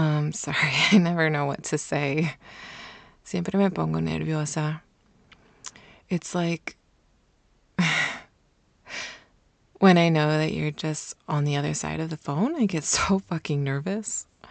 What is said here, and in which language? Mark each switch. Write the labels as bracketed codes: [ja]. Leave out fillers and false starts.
[en] sorry, I never know what to say. [es] Siempre me pongo nerviosa. [en] It's like when I know that you're just on the other side of the phone, I get so fucking nervous.